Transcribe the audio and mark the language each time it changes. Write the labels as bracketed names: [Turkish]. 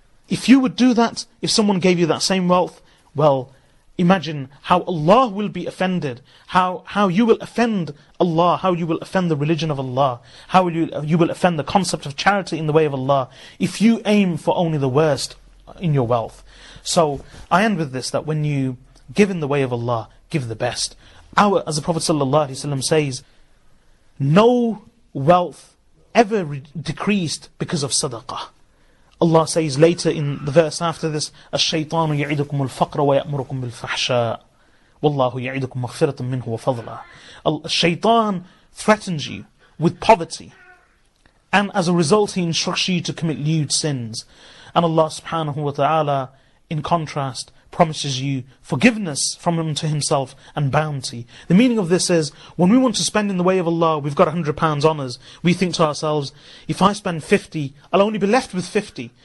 [English] If you would do that, if someone gave you that same wealth, well, imagine how Allah will be offended, how you will offend Allah, how you will offend the religion of Allah, how you will offend the concept of charity in the way of Allah, if you aim for only the worst in your wealth. So I end with this, that when you give in the way of Allah, give the best. As the Prophet sallallahu alaihi wasallam says, no wealth ever decreased because of sadaqah. [Arabic] Allah says later in the verse after this, الشيطان يعيدكم الفقر ويأمركم بالفحشاء والله يعيدكم مغفرة منه وفضلا. [English] الشيطان threatens you with poverty, and as a result he instructs you to commit lewd sins. And Allah subhanahu wa ta'ala, in contrast, promises you forgiveness from him to himself and bounty. The meaning of this is, when we want to spend in the way of Allah, we've got £100 on us, we think to ourselves, if I spend 50, I'll only be left with 50.